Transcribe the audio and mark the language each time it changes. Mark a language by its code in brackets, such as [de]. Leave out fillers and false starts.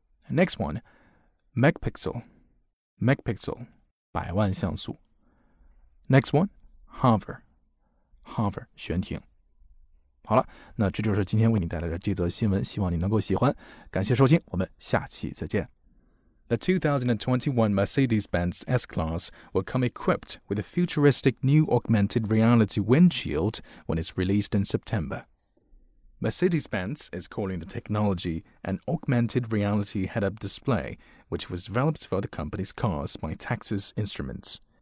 [en] Next one, megapixel, 百万像素。 Next one, hover, 悬停。 [zh] 好了，那这就是今天为你带来的这则新闻，希望你能够喜欢。感谢收听，我们下期再见。 [en] The 2021 Mercedes-Benz S-Class will come equipped with a futuristic new augmented reality windshield when it's released in September. Mercedes-Benz is calling the technology an augmented reality head-up display, which was developed for the company's cars by Texas Instruments.